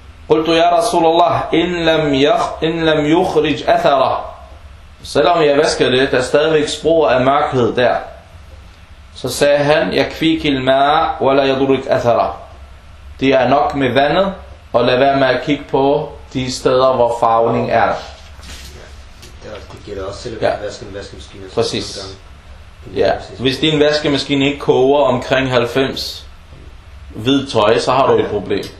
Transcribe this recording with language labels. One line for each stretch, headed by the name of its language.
Arabic: قلت يا رسول الله ان لم يخرج اثره.
Danish: Selvom jeg vasker det, der er stadigvæk spor af mørkhed der. Så sagde han,
Arabic: يكفيك الماء ولا يضرك اثره.
Danish: Det er nok med vandet, og lad være med at kigge på de steder, hvor farvning er. Det gælder også selv at vaske en vaskemaskine. Præcis. Ja. Hvis din vaskemaskine ikke koger omkring 90 hvid tøj, så har du et problem.